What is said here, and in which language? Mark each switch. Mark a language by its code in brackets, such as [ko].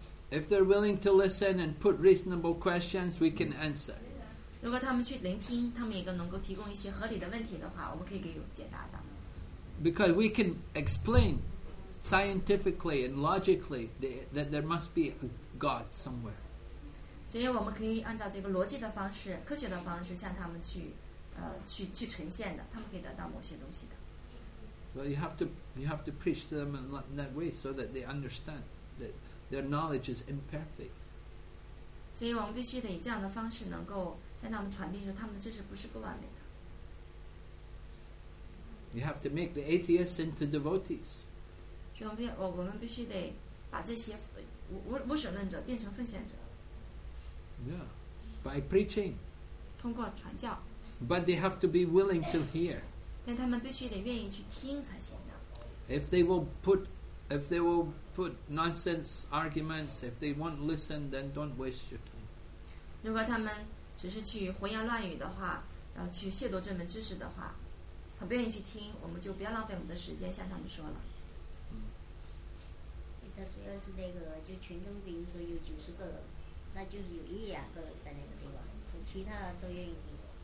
[en] If they're willing to listen and put reasonable questions, we can answer. [zh] 如果他们去聆听，他们也能够提供一些合理的问题的话，我们可以给有解答的。 [en] Because we can explain scientifically and logically that there must be a God somewhere. [zh] 所以我们可以按照这个逻辑的方式、科学的方式向他们去呈现的，他们可以得到某些东西的。 [en] So you have to preach to them in that way so that they understand that their knowledge is imperfect. [zh] 所以我们必须得以这样的方式能够向他们传递说他们的知识不是不完美的。 [en] You have to make the atheists into devotees. [zh] 所以我们必须得把这些无神论者变成奉献者。 [en] Yeah, by preaching. [zh] 通过传教。 [en] But they have to be willing to hear. [zh] 但他们必须得愿意去听才行的。 [en] If they will put nonsense arguments, if they won't listen, then don't waste your time. [zh] 如果他们只是去胡言乱语的话，然后去亵渎这门知识的话，他不愿意去听，我们就不要浪费我们的时间向他们说了。嗯。他主要是那个，就群中，比如说有九十个人，那就是有一两个在那个地方，其他人都愿意听。